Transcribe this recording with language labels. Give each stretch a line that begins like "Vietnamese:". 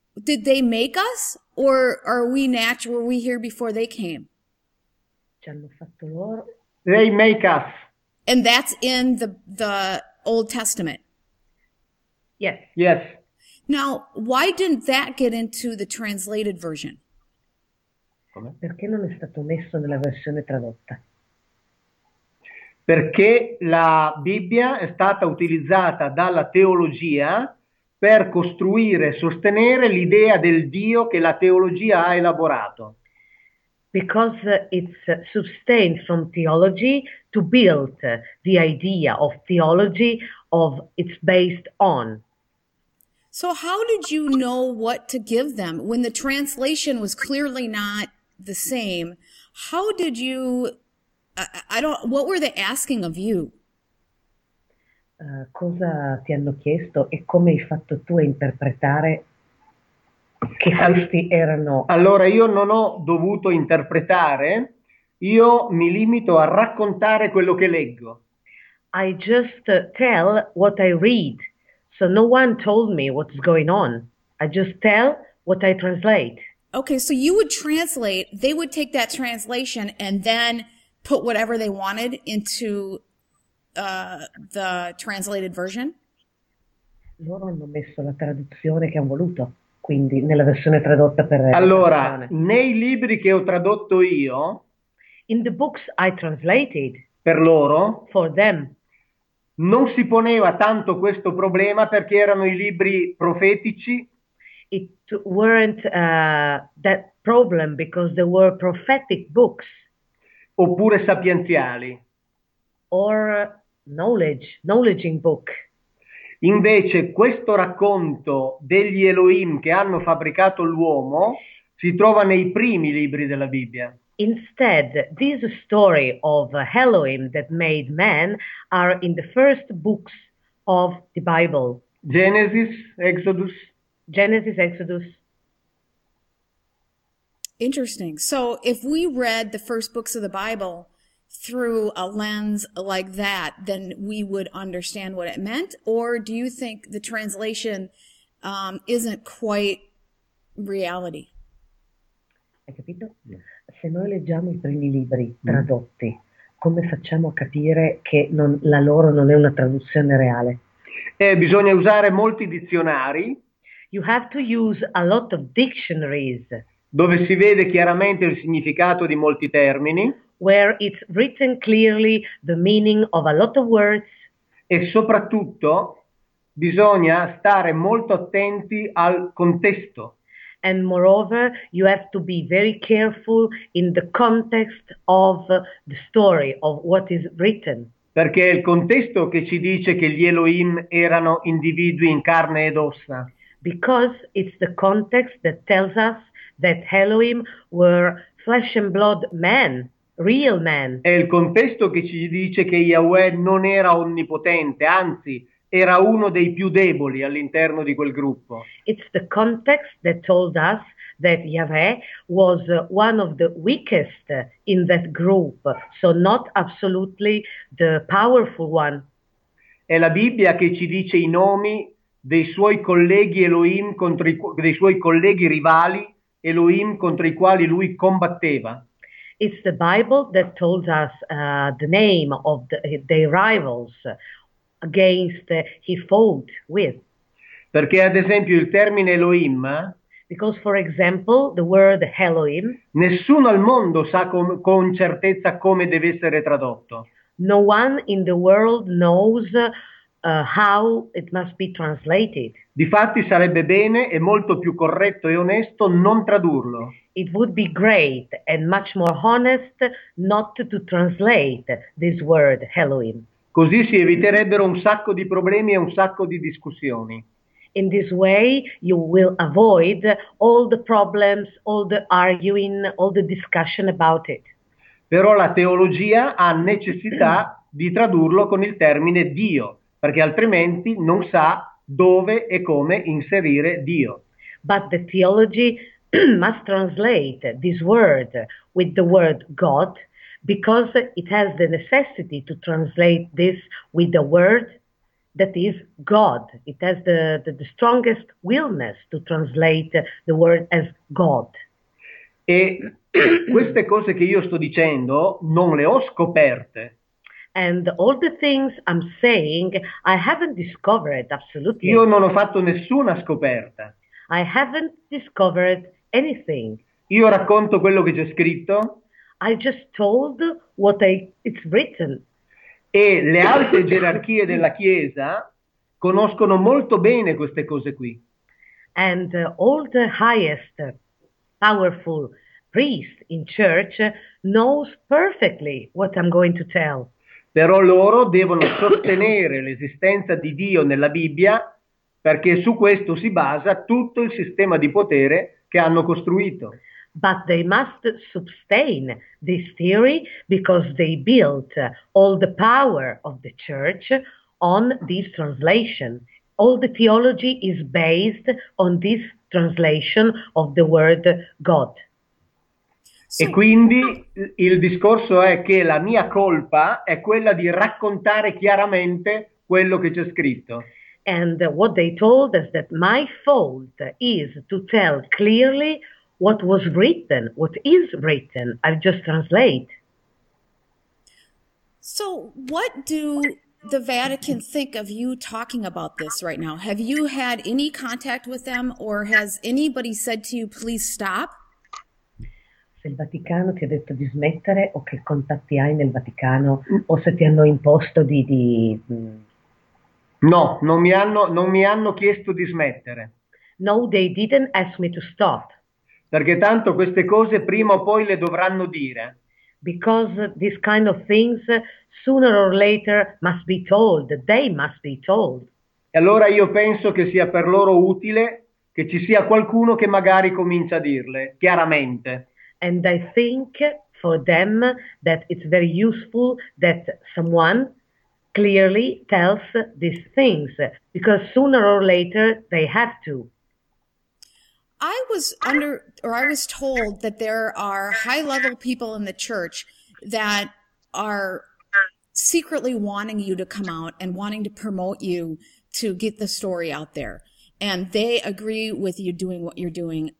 English: Did they make us or are we natural? Were we here before they came?
Italian: Ci hanno fatto loro.
English: They make us. And that's in the Old Testament. Yes. Yes. Now, why didn't that get into the translated version?
Italian: Perché non è stato messo nella versione tradotta? Perché la Bibbia è stata utilizzata dalla teologia per costruire e sostenere l'idea del Dio che la teologia ha elaborato.
English: Because it's sustained from theology to build the idea of theology of it's based on. So how did you know what to give them when the translation was clearly not the same? How did you, I don't, what were they asking of you?
Italian: Cosa ti hanno chiesto e come hai fatto tu a interpretare che questi erano. Allora, io non ho dovuto interpretare, io mi limito a raccontare quello che leggo.
English: I just tell what I read, so no one told me what's going on. I just tell what I translate. Okay, so you would translate, they would take that translation and then put whatever they wanted into the translated version.
Italian: Loro hanno messo la traduzione che hanno voluto, quindi nella versione tradotta per le Allora, persone. nei libri che ho tradotto io,
English: In the books I translated
Italian: per loro,
English: for them.
Italian: non si poneva tanto questo problema perché erano i libri profetici.
English: It weren't that problem because there were prophetic books
Italian: Oppure sapienziali.
English: or knowledging book.
Italian: Invece, questo racconto degli Elohim che hanno fabbricato l'uomo si trova nei primi libri della Bibbia.
English: Instead, this story of Elohim that made man are in the first books of the Bible. Genesis, Exodus. Genesis, Exodus. Interesting. So, if we read the first books of the Bible through a lens like that, then we would understand what it meant. Or do you think the translation, isn't quite reality?
Italian: Hai capito? Se noi leggiamo i primi libri tradotti, come facciamo a capire che non, la loro non è una traduzione reale? Bisogna usare molti dizionari dove
English: You have to use a lot of dictionaries
Italian: si vede chiaramente il significato di molti termini e
English: where it's written clearly the meaning of a lot of words.
Italian: soprattutto bisogna stare molto attenti al contesto.
English: And moreover, you have to be very careful in the context of the story of what is written.
Italian: Perché è il contesto che ci dice che gli Elohim erano individui in carne ed ossa.
English: Because it's the context that tells us that Elohim were flesh and blood men, real men.
Italian: È il contesto che ci dice che Yahweh non era onnipotente, anzi, era uno dei più deboli all'interno di quel gruppo.
English: It's the context that told us that Yahweh was one of the weakest in that group, so not absolutely the powerful one.
Italian: È la Bibbia che ci dice i nomi dei suoi colleghi Elohim contro dei suoi colleghi rivali Elohim contro i quali lui combatteva.
English: It's the Bible that told us the name of the rivals against he fought with.
Italian: Perché ad esempio il termine Elohim,
English: Because, for example, the word Elohim,
Italian: nessuno al mondo sa con certezza come deve essere tradotto.
English: no one in the world knows how it must be translated.
Italian: Difatti sarebbe bene e molto più corretto e onesto non tradurlo.
English: It would be great and much more honest not to translate this word, Elohim.
Italian: Così si eviterebbero un sacco di problemi e un sacco di discussioni.
English: In this way, you will avoid all the problems, all the arguing, all the discussion about it.
Italian: Però la teologia ha necessità di tradurlo con il termine Dio, perché altrimenti non sa dove e come inserire Dio.
English: But the theology must translate this word with the word God, because it has the necessity to translate this with the word that is God. It has the strongest willness to translate the word as God.
Italian: E queste cose che io sto dicendo non le ho scoperte.
English: And all the things I'm saying, I haven't discovered absolutely.
Italian: Io non ho fatto nessuna scoperta.
English: I haven't discovered anything.
Italian: Io racconto quello che c'è scritto.
English: I just told what it's written.
Italian: E le alte gerarchie della Chiesa conoscono molto bene queste cose qui.
English: And all the highest powerful priests in church knows perfectly what I'm going to tell.
Italian: Però loro devono sostenere l'esistenza di Dio nella Bibbia, perché su questo si basa tutto il sistema di potere che hanno costruito.
English: But they must sustain this theory because they built all the power of the church on this translation. All the theology is based on this translation of the word God.
Italian: E quindi il discorso è che la mia colpa è quella di raccontare chiaramente quello che c'è scritto.
English: And what they told us that my fault is to tell clearly what was written, what is written. I'll just translate. So what do the Vatican think of you talking about this right now? Have you had any contact with them, or has anybody said to you, please stop?
Italian: Se il Vaticano ti ha detto di smettere, o che contatti hai nel Vaticano, o se ti hanno imposto di... No, non mi hanno chiesto di smettere.
English: No, they didn't ask me to stop.
Italian: Perché tanto queste cose prima o poi le dovranno dire.
English: Because these kind of things sooner or later must be told, they must be told.
Italian: E allora io penso che sia per loro utile che ci sia qualcuno che magari comincia a dirle chiaramente.
English: And I think for them that it's very useful that someone clearly tells these things, because sooner or later they have to. I was told that there are high-level people in the church that are secretly wanting you to come out and wanting to promote you to get the story out there, and they agree with you doing what you're doing.